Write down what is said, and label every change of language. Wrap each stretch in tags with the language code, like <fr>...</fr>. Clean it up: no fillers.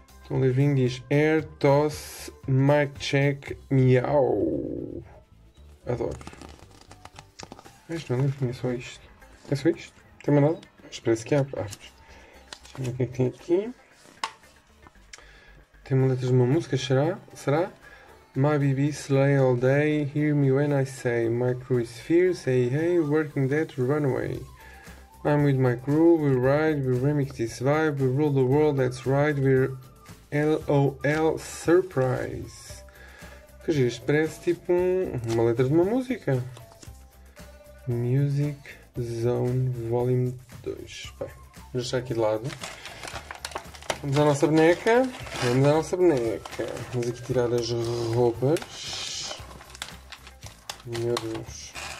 <pt>Então o livrinho diz Air Toss Mic Check Miau. Adoro. Este não é um livrinho, é só isto. É só isto. Tem mais nada? Mas parece que há partes. Deixa eu ver o que é que tem aqui. Tem uma letra de uma música, será? Será?</pt> <en>My baby slay all day, hear me when I say. My crew is fierce, hey hey, working dead, run away. I'm with my crew, we ride, we remix this vibe, we rule the world, that's right, we're LOL Surprise.</en> <pt>Que giro, parece tipo uma letra de uma música. Music Zone Volume 2. Bem, vou deixar aqui de lado. Vamos à nossa boneca. Vamos à nossa boneca. Vamos aqui tirar as roupas. Meu Deus.</pt>